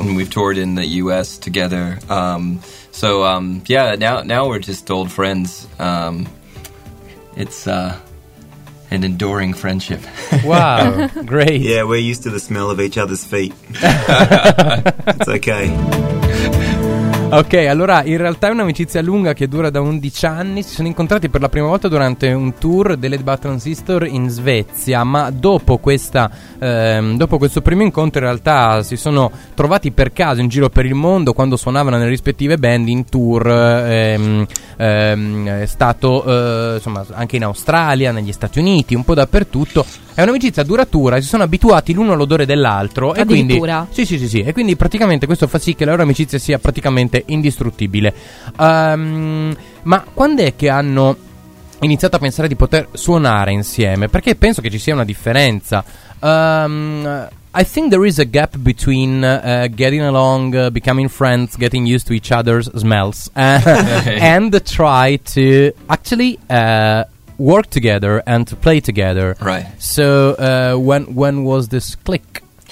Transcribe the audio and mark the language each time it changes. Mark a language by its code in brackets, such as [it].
[en] And we've toured in the U.S. together. Now we're just old friends. An enduring friendship. Wow, great. Yeah, we're used to the smell of each other's feet. It's okay. [it] Ok, allora in realtà è un'amicizia lunga che dura da 11 anni. Si sono incontrati per la prima volta durante un tour dell'Edba Transistor in Svezia. Ma dopo questo primo incontro in realtà si sono trovati per caso in giro per il mondo quando suonavano nelle rispettive band in tour. È stato anche in Australia, negli Stati Uniti, un po' dappertutto. È un'amicizia duratura, si sono abituati l'uno all'odore dell'altro. Addirittura? Sì. E quindi praticamente questo fa sì che la loro amicizia sia praticamente indistruttibile. Ma quando è che hanno iniziato a pensare di poter suonare insieme? Perché penso che ci sia una differenza. [en] I think there is a gap between getting along, becoming friends, getting used to each other's smells, and try to actually work together and to play together. Right. So when was this click?